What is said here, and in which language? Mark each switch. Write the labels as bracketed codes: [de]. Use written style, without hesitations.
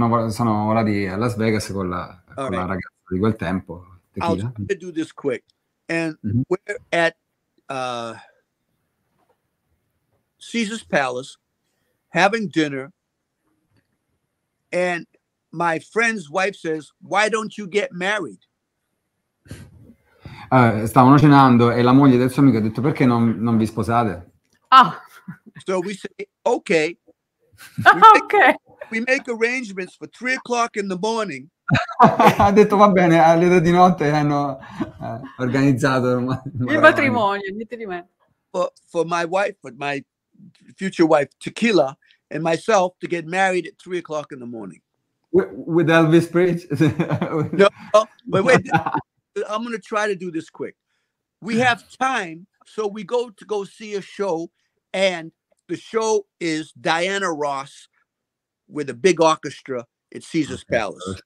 [it] Sono ora di Las Vegas con la ragazza di quel tempo, Tequila. [en] I'll try to do this quick. And mm-hmm, we're at Caesar's Palace, having dinner, and my friend's wife says, why don't you get married? [it] Stavano cenando e la moglie del suo amico ha detto, perché non vi sposate? Ah. [en] So we say, okay. Okay. We make arrangements for 3:00 in the morning. [it] Ha detto, va bene, alle 2 di notte hanno organizzato il matrimonio, niente di me. [en] For my wife, for my future wife, Tequila, and myself to get married at 3:00 in the morning. With Elvis Presley? No, but wait, I'm going to try to do this quick. We have time, so we go to go see a show, and the show is Diana Ross with a big orchestra at Caesar's Palace.